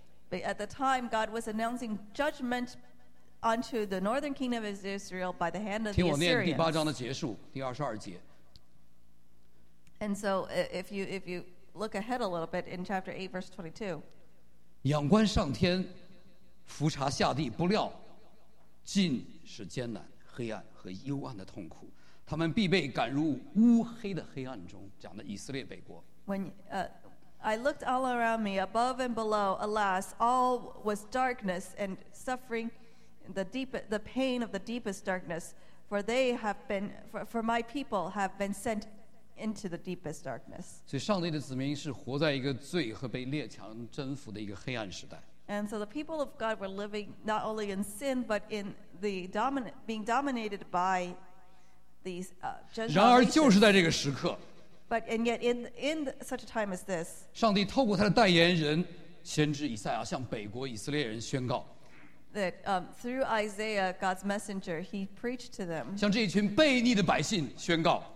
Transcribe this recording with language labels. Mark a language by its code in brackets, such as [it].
[en] But at the time, God was announcing judgment. Onto the northern kingdom of Israel by the hand of the Assyrians. [zh] 听我念第八章的结束，第二十二节。 [en] And so, if you look ahead a little bit in chapter 8, verse 22. [zh] 仰观上天，俯察下地，不料尽是艰难、黑暗和幽暗的痛苦。他们必被赶入乌黑的黑暗中。讲的以色列北国。 [en] When I looked all around me, above and below, alas, all was darkness and suffering. The pain of the deepest darkness, For they have been, for my people have been sent into the deepest darkness. [zh] 所以上帝的子民是活在一个罪和被列强征服的一个黑暗时代。 [en] And so the people of God were living not only in sin, but in the being dominated by these Gentile. [zh] 然而就是在这个时刻。 [en] But and yet in such a time as this. [zh] 上帝透过他的代言人先知以赛亚向北国以色列人宣告。 [en] That through Isaiah, God's messenger, he preached to them. [zh] 向这一群悖逆的百姓宣告。